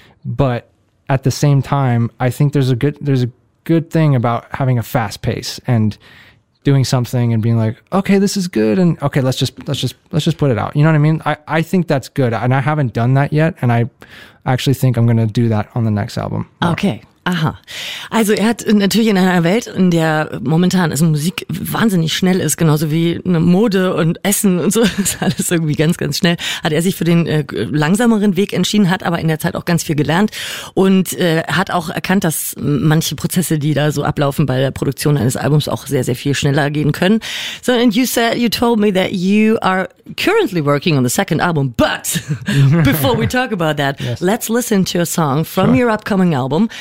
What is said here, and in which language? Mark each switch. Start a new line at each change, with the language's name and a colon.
English: But at the same time, I think there's a good thing about having a fast pace and doing something and being like, okay, this is good. And okay, let's just put it out. You know what I mean? I think that's good. And I haven't done that yet. And I actually think I'm going to do that on the next album. More. Okay. Aha.
German: Also er hat natürlich in einer Welt, in der momentan ist Musik wahnsinnig schnell ist, genauso wie eine Mode und Essen und so, ist alles irgendwie ganz, ganz schnell, hat er sich für den langsameren Weg entschieden, hat aber in der Zeit auch ganz viel gelernt und hat auch erkannt, dass manche Prozesse, die da so ablaufen bei der Produktion eines Albums, auch sehr, sehr viel schneller gehen können.
English: So, and you said, you told me that you are currently working on the second album, but before we talk about that, yes. Let's listen to a song from your upcoming album.